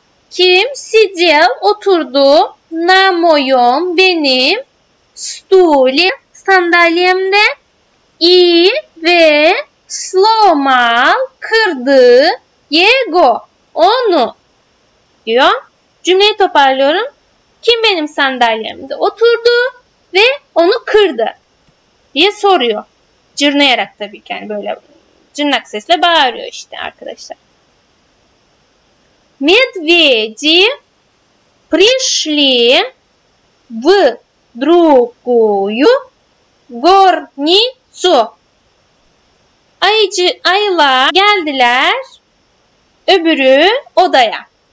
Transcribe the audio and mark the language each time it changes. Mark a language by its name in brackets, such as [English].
[Turkish] Kim [Russian] сидел, [Turkish] oturdu, [Russian] на моем, [Turkish] benim, [Russian] стуле, [Turkish] sandalyemde, [Russian] и, [Turkish] ve, [Russian] сломал, [Turkish] kırdı, [Russian] его, [Turkish] onu, diyor. Cümleyi toparlıyorum. Kim benim sandalyemde oturdu ve onu kırdı, diye soruyor. Cırnayarak tabii ki, yani böyle cırnak sesle bağırıyor işte arkadaşlar. [Russian] Медведи пришли в другую горницу. [Turkish] Ayıcı ayılar geldiler öbürü odaya.